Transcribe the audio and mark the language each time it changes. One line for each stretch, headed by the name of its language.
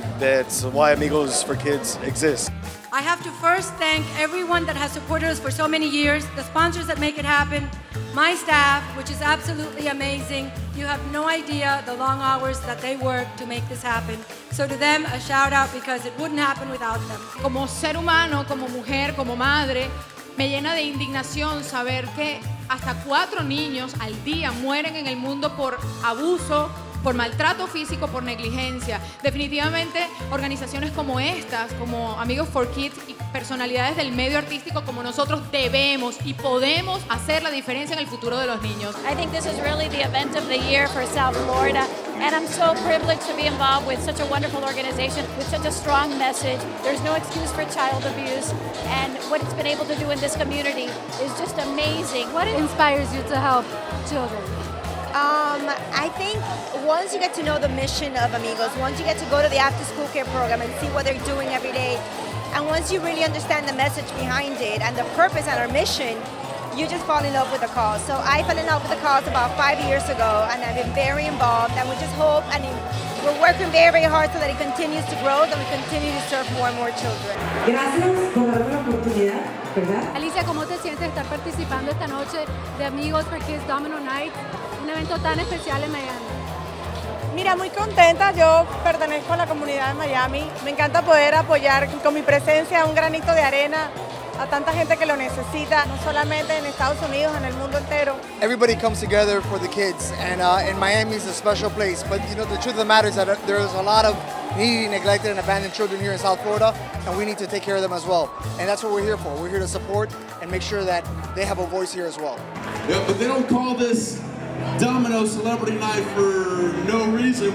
English: That's why Amigos for Kids exists. I have to first thank everyone that has supported us for so many years, the sponsors that make it happen, my staff, which is absolutely amazing. You have no idea the long hours that they work to make this happen. So to them, a shout out, because it wouldn't happen without them.
Spanish: Como ser humano, como mujer, como madre, me llena de indignación saber que hasta 4 niños al día mueren en el mundo por abuso, por maltrato físico, por negligencia. Definitivamente, organizaciones como estas, como Amigos for Kids y personalidades del medio artístico como nosotros, debemos y podemos hacer la diferencia en el futuro de los niños.
English: I think this is really the event of the year for South Florida, and I'm so privileged to be involved with such a wonderful organization with such a strong message. There's no excuse for child abuse, and what it's been able to do in this community is just amazing. What inspires you to help children? I think once you get to know the mission of Amigos, once you get to go to the after school care program and see what they're doing every day, and once you really understand the message behind it and the purpose and our mission, you just fall in love with the cause. So I fell in love with the cause about 5 years ago, and I've been very involved, and we just hope, and we're working very, very hard so that it continues to grow, that we continue to serve more and more children.
Spanish: Gracias por darme la oportunidad. Alicia, ¿cómo te sientes estar participando esta noche de Amigos for Kids Domino Night, un evento tan especial en Miami? Mira, muy contenta. Yo pertenezco a la comunidad de Miami. Me encanta poder apoyar con mi presencia un granito de arena a tanta gente que lo necesita, no solamente en Estados Unidos, en el mundo entero.
English: Everybody comes together for the kids, and Miami is a special place. But you know, the truth of the matter is that there is a lot of needy, neglected, and abandoned children here in South Florida, and we need to take care of them as well. And that's what we're here for. We're here to support and make sure that they have a voice here as well. Yeah, but they don't call this Domino Celebrity Night for no reason.